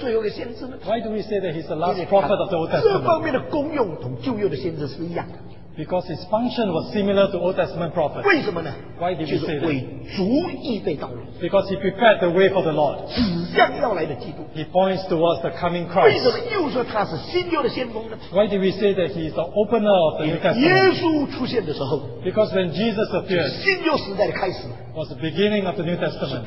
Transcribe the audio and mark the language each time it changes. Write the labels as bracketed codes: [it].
[en] Why do we say that he's the last prophet of the Old Testament? Because his function was similar to Old Testament prophets. [zh] 为什么呢? [en] Why did he say that? Because he prepared the way for the Lord. [zh] 指向要来的基督. [en] He points towards the coming Christ. [zh] 为什么又说他是新约的先锋呢? [en] Why did we say that he is the opener of the New Testament? [zh] 耶稣出现的时候, [en] because when Jesus appeared, [zh] 新约时代的开始, [en] was the beginning of the New Testament.